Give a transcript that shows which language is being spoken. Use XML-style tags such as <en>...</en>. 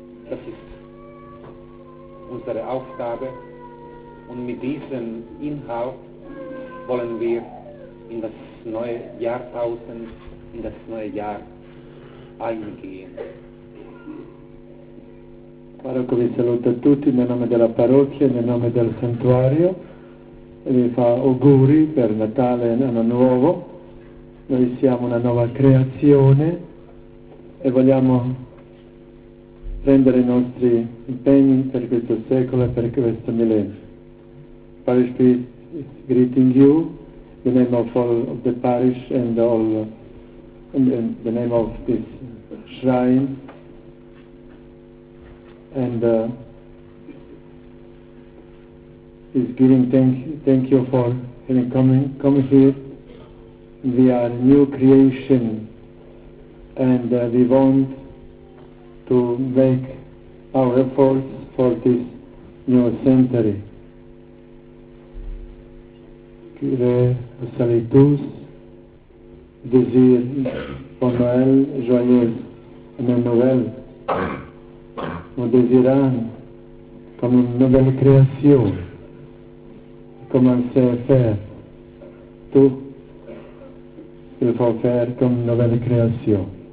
<de>Das ist unsere Aufgabe. Und mit diesem Inhalt wollen wir in das neue Jahrtausend, in das neue Jahr eingehen.</de> <it>Parroco vi saluta tutti nel nome della parrocchia, nel nome del santuario, e vi fa auguri per Natale e l'anno nuovo. Noi siamo una nuova creazione e vogliamo prendere i nostri impegni per questo secolo e per questo millennio.</it> <en>Parish priest is greeting you in the name of all of the parish and all in the name of this shrine. And is giving thank you for having come here. We are a new creation, and we want to make our efforts for this new century.</en> <fr>Kyrie Salutis, Désir, Bon Noël, Joyeux, Année Nouvelle. Nous désirons, comme une nouvelle création, commencer à faire tout ce qu'il faut faire comme une nouvelle création.</fr>